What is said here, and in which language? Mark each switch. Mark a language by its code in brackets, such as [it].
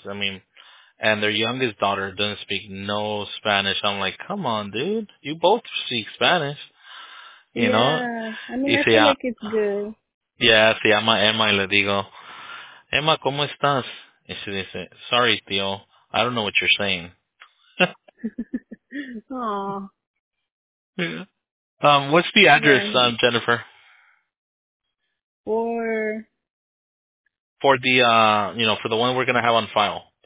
[en] I mean, and their youngest daughter doesn't speak no Spanish. I'm like, come on, dude. You both speak Spanish, you know. Yeah, I mean, I feel like it's good. [es] Yeah, se llama Emma y le digo, Emma, ¿cómo estás? Y [en] she [es] dice, [en] sorry, tío, I don't know what you're saying. Aww. Yeah. What's the address, Jennifer? For the one we're going to have on file.